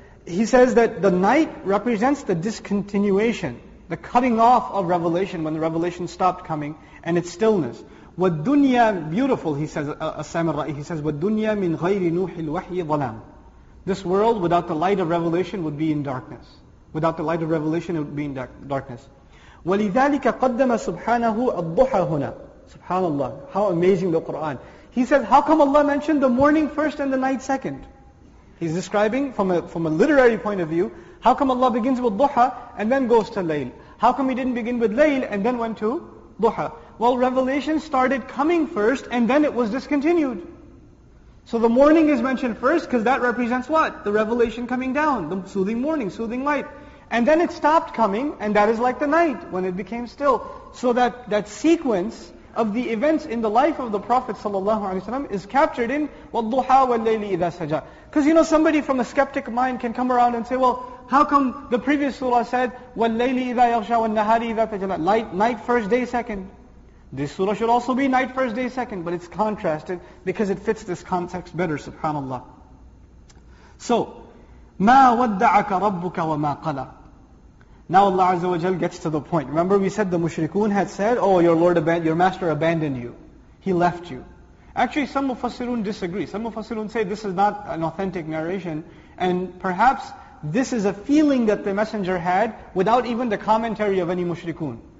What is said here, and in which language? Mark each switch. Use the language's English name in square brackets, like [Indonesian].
[English] He says that the night represents the discontinuation, the cutting off of revelation when the revelation stopped coming, and its stillness. [Arabic] وَالدُّنْيَا, [English] beautiful, he says, as-samirai, he says, [Arabic] وَالدُّنْيَا مِنْ غَيْرِ نُوحِ الْوَحْيِ ظَلَامُ. [English] This world without the light of revelation would be in darkness. Without the light of revelation it would be in darkness. [Arabic] وَلِذَلِكَ قَدَّمَ سُبْحَانَهُ الضُّحَى هُنَا. [English] Subhanallah, how amazing the Qur'an. He says, how come Allah mentioned the morning first and the night second? He's describing from a literary point of view, how come Allah begins with duha and then goes to layl? How come He didn't begin with layl and then went to duha? Well, revelation started coming first and then it was discontinued. So the morning is mentioned first because that represents what? The revelation coming down, the soothing morning, soothing light. And then it stopped coming, and that is like the night when it became still. So that sequence of the events in the life of the Prophet ﷺ is captured in [Arabic] وَالضُّحَى وَاللَّيْلِ إِذَا سَجَى. [English] Because you know, somebody from a skeptic mind can come around and say, well, how come the previous surah said [Arabic] وَاللَّيْلِ إِذَا يَغْشَى وَالنَّهَارِ إِذَا تَجَلَى. [English] Light, night, first, day, second. This surah should also be night, first, day, second. But it's contrasted because it fits this context better, subhanAllah. [Arabic] So, مَا وَدَّعَكَ رَبُّكَ وَمَا قَلَى. [English] Now Allah Azza wa Jal gets to the point. Remember we said the mushrikun had said, oh, your master abandoned you. He left you. Actually, some mufassirun disagree. Some mufassirun say this is not an authentic narration. And perhaps this is a feeling that the messenger had without even the commentary of any mushrikun.